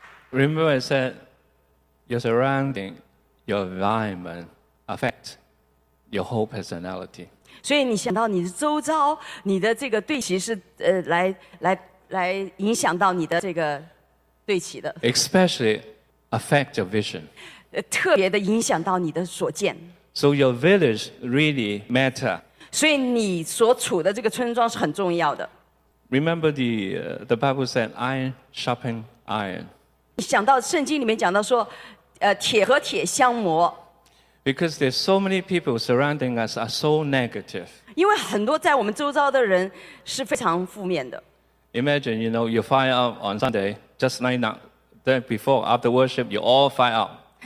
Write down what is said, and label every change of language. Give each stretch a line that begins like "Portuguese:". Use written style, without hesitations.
English: Remember I said your surrounding, your environment affect your whole personality.
Chinese: 所以你想到你的周遭，你的这个对齐是来影响到你的这个对齐的。
English: Especially affect your vision.
Chinese: 特别的影响到你的所见。
English: So your village really matter.
Chinese: 所以你所处的这个村庄是很重要的。
English: Remember the Bible said iron sharpens iron.
Chinese: 想到圣经里面讲到说，铁和铁相磨。
English: Because there's so many people surrounding us are so negative.
Chinese: 因为很多在我们周遭的人是非常负面的。
English: Imagine, you know, you fire up on Sunday, just like now, then before, after worship, you all fire up.